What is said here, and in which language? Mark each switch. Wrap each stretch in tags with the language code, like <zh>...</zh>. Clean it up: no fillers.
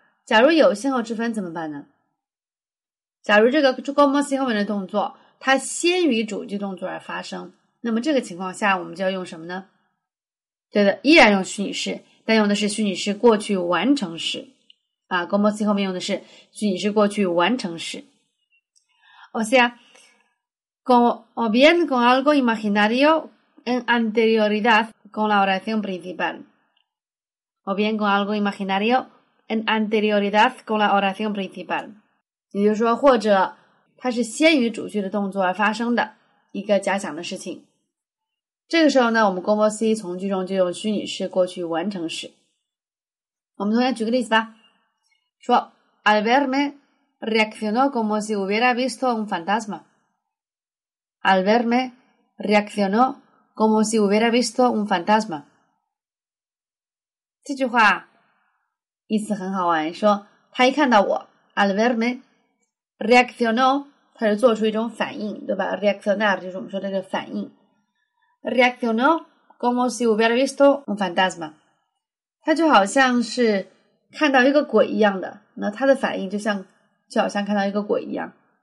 <zh>假如有先后之分怎么办呢？假如这个 주거머시 后面的动作它先于主句动作而发生，那么这个情况下我们就要用什么呢？对的，依然用虚拟式，但用的是虚拟式过去完成时。啊， 거머시 后面用的是虚拟式过去完成时。</zh> <es>O sea, o bien con algo imaginario en anterioridad con la oración principal. O bien con algo imaginario en anterioridad con la oración principal.</es> <zh>也就是说，或者它是先于主句的动作而发生的一个假想的事情。这个时候呢，我们过去式从句中就用虚拟式过去完成时。</zh> <es>我们同样举个例子吧，说 Al verme reaccionó como si hubiera visto un fantasma. Al verme reaccionó como si hubiera visto un fantasma.</es> <zh>这句话意思很好玩，说他一看到我</zh> <es>Al verme reaccionó，</es> <zh>他就做出一种反应，对吧？ Reaccionar 就是我们说的这个反应。</zh> <es>Reaccionó como si hubiera visto un fantasma，</es> <zh>他就好像是看到一个鬼一样的，那他的反应就好像看到一个鬼一样。</zh>